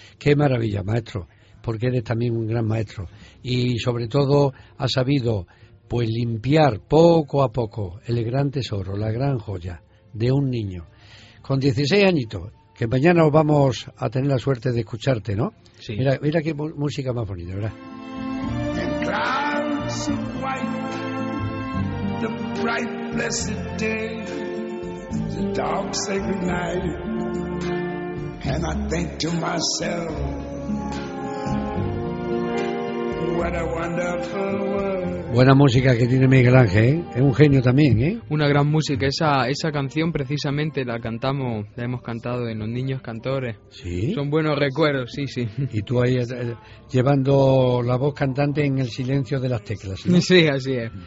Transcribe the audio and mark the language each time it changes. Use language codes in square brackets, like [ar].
[es] Qué maravilla, maestro, porque eres también un gran maestro. Y sobre todo ha sabido pues limpiar poco a poco el gran tesoro, la gran joya de un niño, con 16 añitos, que mañana vamos a tener la suerte de escucharte, ¿no? Sí. Mira qué música más bonita, ¿verdad? [en] The clouds are white, the bright blessed day, the dark sacred night, and I think to myself, what a wonderful world. [es] Buena música que tiene Miguel Ángel, ¿eh? Es un genio también, ¿eh? Una gran música. Esa canción precisamente la hemos cantado en Los Niños Cantores. ¿Sí? Son buenos recuerdos, sí, sí. Y tú ahí llevando la voz cantante en el silencio de las teclas, ¿no? Sí, así es.